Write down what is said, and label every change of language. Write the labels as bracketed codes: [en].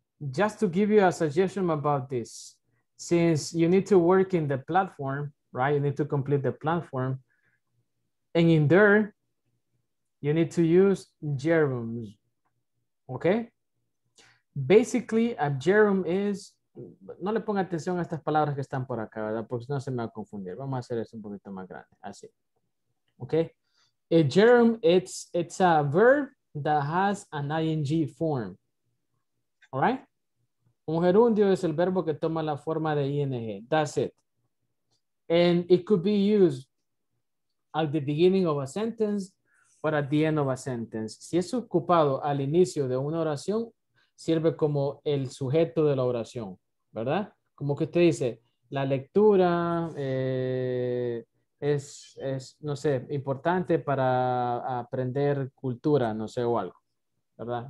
[en] Just to give you a suggestion about this, since you need to work in the platform, right? You need to complete the platform. And in there, you need to use gerunds, okay? Basically, a gerund is, [es] no le ponga atención a estas palabras que están por acá, ¿verdad? Porque no se me va a confundir. Vamos a hacer esto un poquito más grande, así, okay? [en] A gerund, it's a verb that has an ing form, all right? [es] Un gerundio es el verbo que toma la forma de ing, [en] that's it. And it could be used at the beginning of a sentence or at the end of a sentence. [es] Si es ocupado al inicio de una oración, sirve como el sujeto de la oración, ¿verdad? Como que usted dice, la lectura es no sé, importante para aprender cultura, no sé, o algo, ¿verdad?